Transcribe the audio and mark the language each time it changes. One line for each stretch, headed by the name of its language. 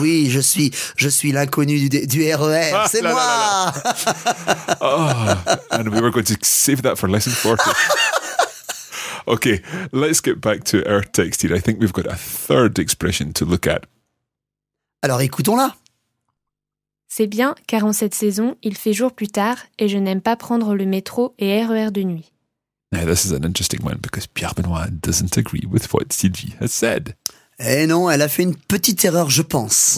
French: Oui, je suis l'inconnu du RER. Ah, c'est là, moi. Là.
English: Oh, and we were going to save that for lesson 40. Okay, let's get back to our text here. I think we've got a third expression to look at.
French: Alors, écoutons-la. C'est bien, car en cette saison, il fait jour plus tard et je n'aime pas prendre le métro et RER de nuit.
English: Now, this is an interesting one because Pierre Benoît doesn't agree with what Sylvie has said.
French: Eh non, elle a fait une petite erreur, je pense.